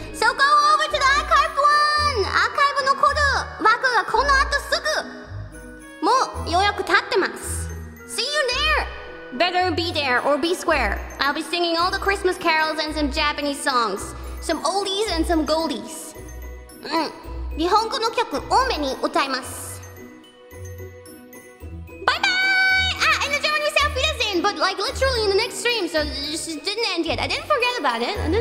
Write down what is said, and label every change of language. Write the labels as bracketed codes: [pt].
[en] So go over to the archive one! [ja] Archive のコード枠がこの後すぐ！もう予約立ってます。 [en] See you there! Better be there or be square. I'll be singing all the Christmas carols and some Japanese songs. Some oldies and some goldies. [ja] うん。日本語の曲多めに歌います。バイバイ！あ、エナジョーにセルフィーですね。 [en] But like literally in the next stream, so it didn't end yet. I didn't forget about it.